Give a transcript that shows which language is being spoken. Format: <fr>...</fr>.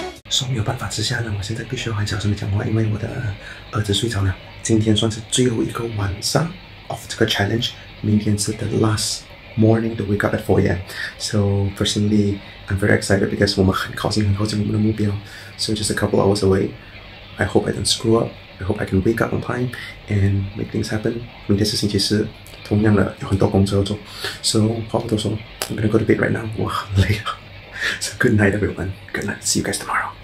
<zh>所以没有办法之下呢，我现在必须要很小声的讲话，因为我的儿子睡着了。今天算是最后一个晚上</zh> <en>of</en> <zh>这个</zh> <en>challenge，</en> <zh>明天是</zh> <en>the last morning to wake up at 4 AM. So personally, I'm very excited because</en> <zh>我们很靠近很靠近我们的目标，</zh> <en>so just a couple hours away. I hope I don't screw up. I hope I can wake up on time and make things happen.</en> <zh>明天是星期四，同样的有很多工作要做。</zh> <en>So</en> <zh>话不多说，</zh> <en>I'm gonna go to bed right now.</en> <zh>我很累了。</zh> <en>So good night, everyone. Good night. See you guys tomorrow.</en>